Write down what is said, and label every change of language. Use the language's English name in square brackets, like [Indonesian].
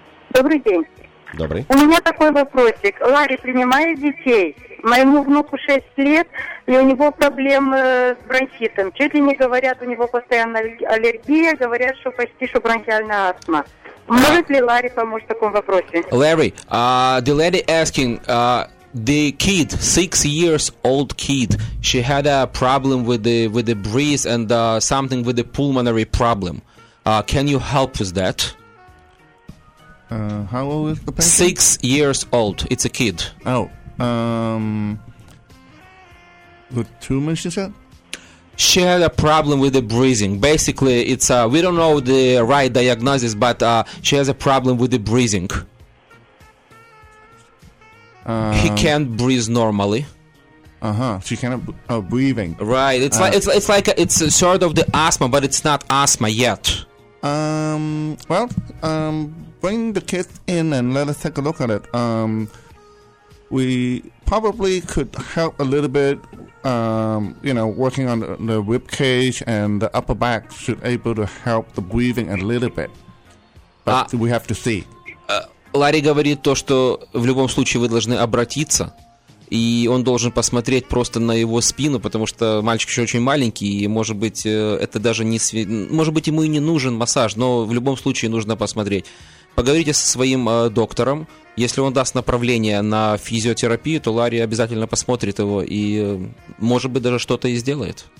[Russian] Добрый день. Добрый. У меня такой вопросик. Ларри принимает детей? Моему внуку 6 лет, и у него проблемы с бронхитом. Чуть ли не говорят, у него постоянно аллергия, говорят, что почти что бронхиальная астма. Может ли Ларри помочь в таком вопросе? [English] Ларри, the lady asking, the kid, 6-year-old kid, she had a problem with the breeze and something with the pulmonary problem. Can you help with that? How old is the patient? 6 years old. It's a kid. Oh. The tumor, she said? She had a problem with the breathing. Basically, it's we don't know the right diagnosis, but she has a problem with the breathing. He can't breathe normally. Uh-huh. She cannot breathing. Right. It's it's sort of the asthma, but it's not asthma yet. Bring the kids in and let us take a look at it. We probably could help a little bit, working on the rib cage and the upper back should able to help the breathing a little bit. But we have to see. [Russian] Ларри говорит то, что в любом случае вы должны обратиться, и он должен посмотреть просто на его спину, потому что мальчик еще очень маленький, и, может быть, это даже не... Может быть, ему и не нужен массаж, но в любом случае нужно посмотреть. Поговорите со своим доктором. Если он даст направление на физиотерапию, то Ларри обязательно посмотрит его и, может быть, даже что-то и сделает.